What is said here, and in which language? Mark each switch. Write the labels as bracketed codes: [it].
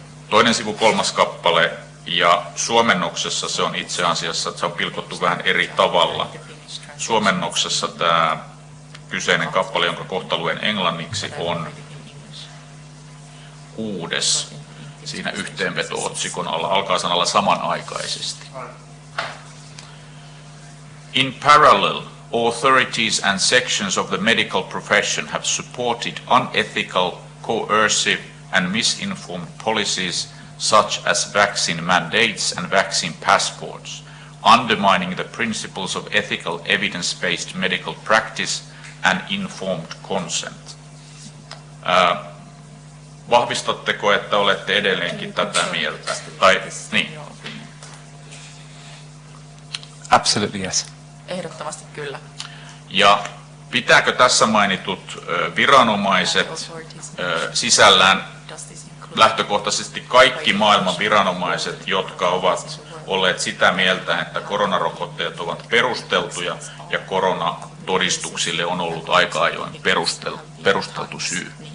[fi] Toinen sivu, kolmas kappale, ja suomennoksessa se on itse asiassa, että se on pilkottu vähän eri tavalla. Suomennoksessa tämä kyseinen kappale, jonka kohta luen englanniksi, on kuudes siinä yhteenveto-otsikon alla. Alkaa sanalla samanaikaisesti. [en] In parallel, authorities and sections of the medical profession have supported unethical, coercive and misinformed policies such as vaccine mandates and vaccine passports, undermining the principles of ethical, evidence-based medical practice and informed consent. [fi] Vahvistatteko, että olette edelleenkin tätä mieltä? Tai niin? [en] Absolutely yes. [fi] Ehdottomasti kyllä. Ja Pitääkö tässä mainitut viranomaiset sisällään lähtökohtaisesti kaikki maailman viranomaiset, jotka ovat olleet sitä mieltä, että koronarokotteet ovat perusteltuja ja koronatodistuksille on ollut aika ajoin perusteltu syy?